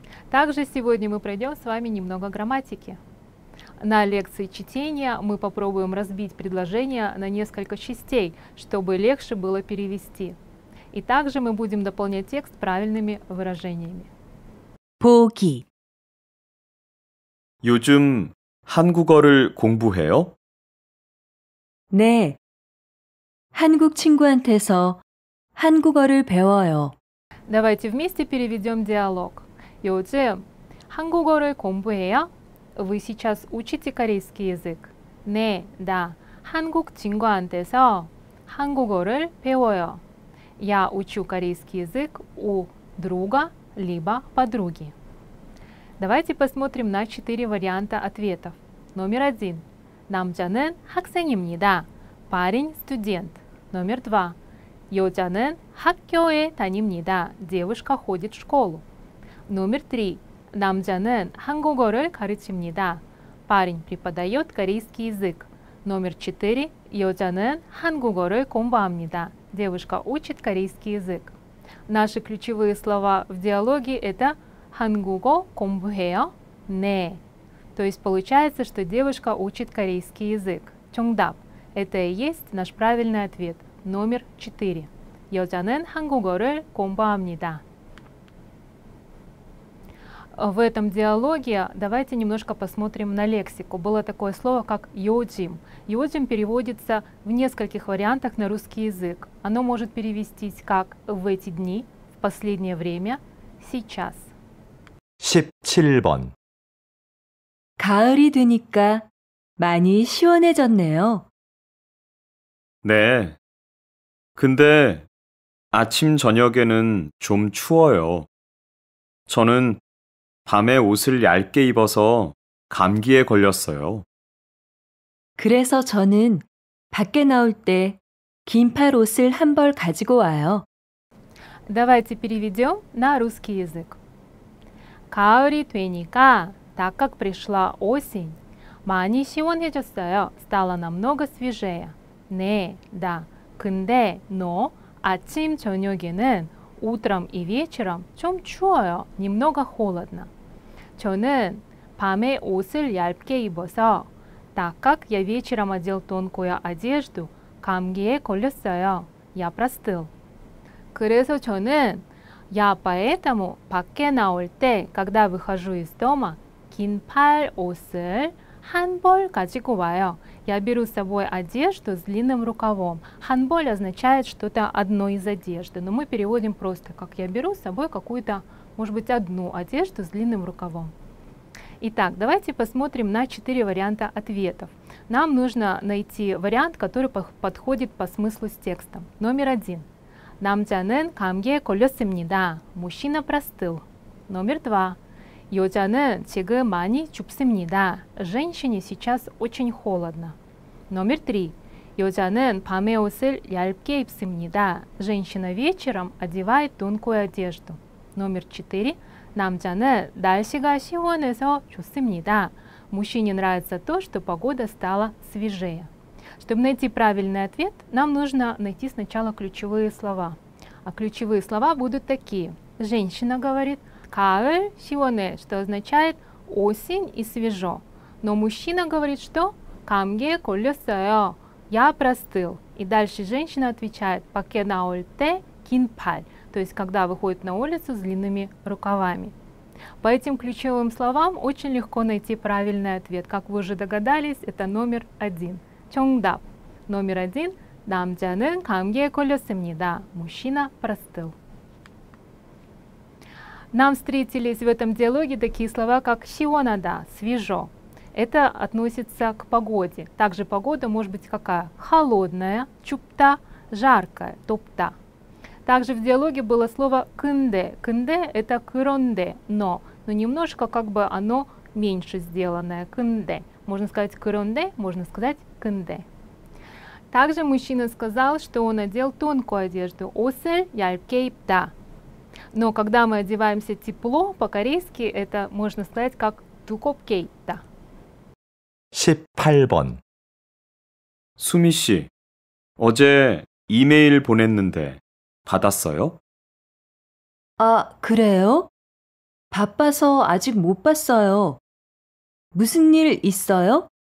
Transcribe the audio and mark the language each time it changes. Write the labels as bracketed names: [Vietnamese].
[Russian] Также сегодня мы пройдем с вами немного грамматики. На лекции чтения мы попробуем разбить предложение на несколько частей, чтобы легче было перевести. И также мы будем дополнять текст правильными выражениями. [Korean] 보기. 요즘 한국어를 공부해요? 네. 한국 친구한테서 한국어를 배워요. [Russian] Давайте вместе переведем диалог. [Korean] 요즘 한국어를 공부해요? [Russian] Вы сейчас учите корейский язык? [Korean] 네, [Russian] да. [Korean] 한국 친구한테서 한국어를 배워요. [Russian] Я учу корейский язык у друга либо подруги. Давайте посмотрим на 4 варианта ответов. Номер 1. [Korean] 남자는 학생입니다. [Russian] парень – студент. Номер 2. [Korean] 여자는 학교에 다닙니다. [Russian] Девушка ходит в школу. Номер 3. [Korean] 남자는 한국어를 가르칩니다. [Russian] Парень преподает корейский язык. Номер 4. [Korean] 여자는 한국어를 공부합니다. [Russian] Девушка учит корейский язык. Наши ключевые слова в диалоге – это [Korean] 한국어 공부해요? 네. [Russian] То есть получается, что девушка учит корейский язык. [Korean] 정답. [Russian] Это и есть наш правильный ответ. Номер 4. [Korean] 여자는 한국어를 공부합니다. [Russian] В этом диалоге давайте немножко посмотрим на лексику. Было такое слово, как «йоджим». «Йоджим» переводится в нескольких вариантах на русский язык. Оно может перевестись как «в эти дни», «в последнее время», «сейчас». [Korean] 17번. 가을이 되니까 많이 시원해졌네요. 네. 근데 아침 저녁에는 좀 추워요. 저는 밤에 옷을 얇게 입어서 감기에 걸렸어요. 그래서 저는 밖에 나올 때 긴팔 옷을 한 벌 가지고 와요. [Russian] Давайте переведем на русский язык. [Korean] 가을이 되니까, [Russian] так как пришла осень, [Korean] 많이 시원해졌어요. [Russian] Стало намного свежее. [Korean] 네, 다. 근데, [Russian] но, [Korean] 아침, 저녁에는, [Russian] утром и вечером, [Korean] 좀 추워요. [Russian] Немного холодно. [Korean] 저는 밤에 옷을 얇게 입어서, [Russian] так как я вечером одел тонкую одежду, [Korean] 감기에 걸렸어요. [Russian] Я простыл. [Korean] 그래서 저는, [Russian] я поэтому, [Korean] 밖에 나올 때, [Russian] когда выхожу из дома, [Korean] 긴팔 옷을 한벌 가지고 와요. [Russian] Я беру с собой одежду с длинным рукавом. Ханболь означает что-то одно из одежды. Но мы переводим просто, как я беру с собой какую-то, может быть, одну одежду с длинным рукавом. Итак, давайте посмотрим на 4 варианта ответов. Нам нужно найти вариант, который подходит по смыслу с текстом. Номер 1. [Korean] 남자는 감기에 걸렸습니다. [Russian] Мужчина простыл. Номер 2. [Korean] 여자는 지금 많이 춥습니다. [Russian] Женщине сейчас очень холодно. Номер 3. [Korean] 여자는 밤에 옷을 얇게 입습니다. [Russian] Женщина вечером одевает тонкую одежду. Номер 4. [Korean] 남자는 날씨가 시원해서 좋습니다. [Russian] Мужчине нравится то, что погода стала свежее. Чтобы найти правильный ответ, нам нужно найти сначала ключевые слова. А ключевые слова будут такие. Женщина говорит [Korean] 가을 시원해, [Russian] что означает осень и свежо. Но мужчина говорит, что [Korean] 감기에 걸렸어요, [Russian] я простыл. И дальше женщина отвечает [Korean] 밖에 나올 때 긴팔, [Russian] то есть когда выходит на улицу с длинными рукавами. По этим ключевым словам очень легко найти правильный ответ. Как вы уже догадались, это номер 1. [Korean] 정답. [Russian] Номер 1. [Korean] 남자는 감기에 걸렸습니다. [Russian] Мужчина простыл. Нам встретились в этом диалоге такие слова, как «сионада» – «свежо». Это относится к погоде. Также погода может быть какая? Холодная, чупта, жаркая, топта. Также в диалоге было слово «кынде». «Кынде» – это «кыронде», но немножко как бы оно меньше сделанное. «Кынде». Можно сказать «кыронде», можно сказать «кынде». Также мужчина сказал, что он одел тонкую одежду. «Осель яльпке ипта». Но когда мы одеваемся тепло, по-корейски это можно сказать как [Korean] 두껍게 있다. 18번 수미 씨, 어제 이메일 보냈는데 받았어요? 아, 그래요? 바빠서 아직 못 봤어요. 무슨 일 있어요?